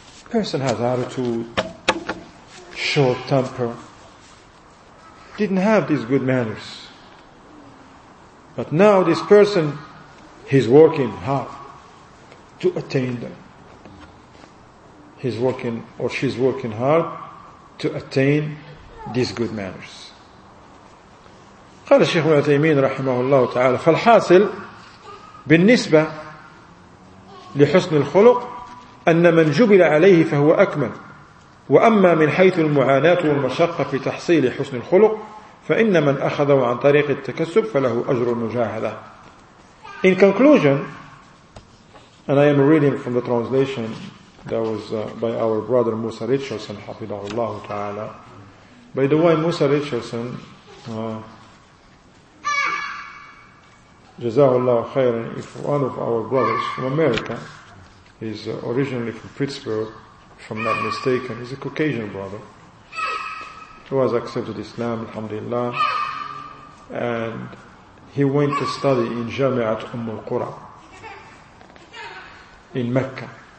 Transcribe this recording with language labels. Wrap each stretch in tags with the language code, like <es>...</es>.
<en>Person has attitude, short temper, didn't have these good manners. But now this person, he's working hard to attain them. He's working, or she's working hard to attain these good manners.</en> <ar>قال الشيخ ابن عثيمين رحمه الله تعالى فالحاصل بالنسبة لحسن الخلق أن من جبل عليه فهو أكمل، وأما من حيث المعاناة والمشقة في تحصيل حسن الخلق فإن من أخذه عن طريق التكسب فله أجر المجاهدة.</ar> <en>In conclusion, and I am reading from the translation that was by our brother Musa Richardson</en> <ar>حفظه الله تعالى.</ar> <en>By the way, Musa Richardson</en> <ar>Jazahullah khairan,</ar> <en>if one of our brothers from America, he's originally from Pittsburgh, if I'm not mistaken, he's a Caucasian brother, who has accepted Islam, alhamdulillah, and he went to study in Jami'at Umm al-Qura, in Mecca.</en>